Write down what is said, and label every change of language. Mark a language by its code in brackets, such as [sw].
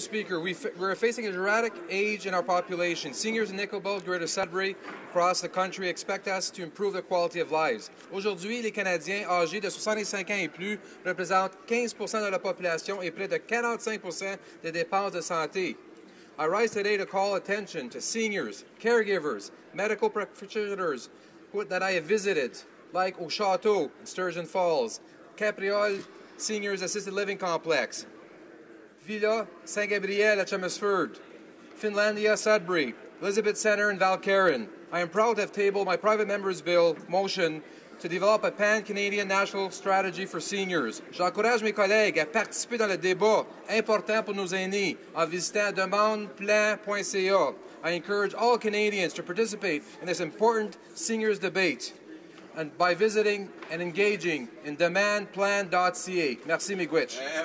[en] Speaker, we're facing a dramatic age in our population. Seniors in Nickel Belt, Greater Sudbury, across the country expect us to improve the quality of lives. [fr] Aujourd'hui, les Canadiens âgés de 65 ans et plus représentent 15% de la population et près de 45% des dépenses de santé. [en] I rise today to call attention to seniors, caregivers, medical practitioners that I have visited, like Au Chateau in Sturgeon Falls, Capreol Seniors Assisted Living Complex, Villa Saint Gabriel at Chelmsford, Finlandia Sudbury, Elizabeth Center in Val Caron. I am proud to have tabled my private member's bill motion to develop a pan-Canadian national strategy for seniors. [fr] J'encourage mes collègues à participer dans le débat important pour nos aînés en visitant demandeplein.ca. [en] I encourage all Canadians to participate in this important seniors debate and by visiting and engaging in demandplan.ca. Merci, Miigwech.